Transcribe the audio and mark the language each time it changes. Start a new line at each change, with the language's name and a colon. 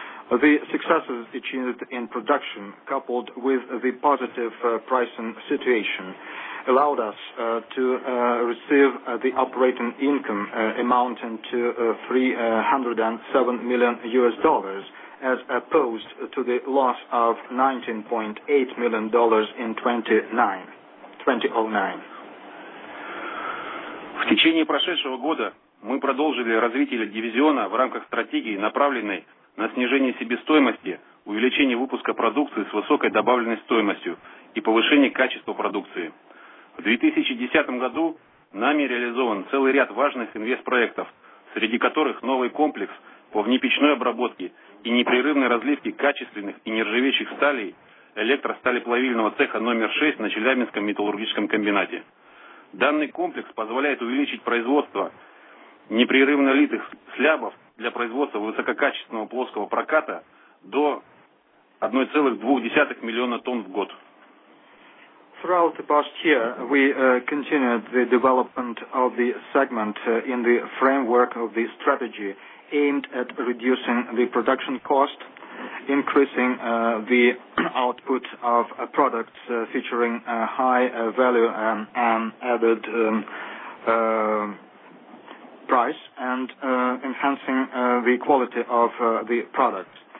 English: The successes achieved in production, coupled with the positive pricing situation, allowed us to receive the operating income amounting to $307 million, as opposed to the loss of $19.8 million in 2009.
Russian: В течение прошедшего года мы продолжили развитие дивизиона в рамках стратегии, направленной на снижение себестоимости, увеличение выпуска продукции с высокой добавленной стоимостью и повышение качества продукции. В 2010 году нами реализован целый ряд важных инвестпроектов, среди которых новый комплекс по внепечной обработке и непрерывной разливке качественных и нержавеющих сталей электросталеплавильного цеха номер 6 на Челябинском металлургическом комбинате. Данный комплекс позволяет увеличить производство непрерывно литых слябов для производства высококачественного плоского проката до 1,2 миллиона тонн в год.
English: Throughout the past year, we continued the development of the segment in the framework of the strategy aimed at reducing the production cost, increasing the output of products featuring high value and added price, and enhancing the quality of the product.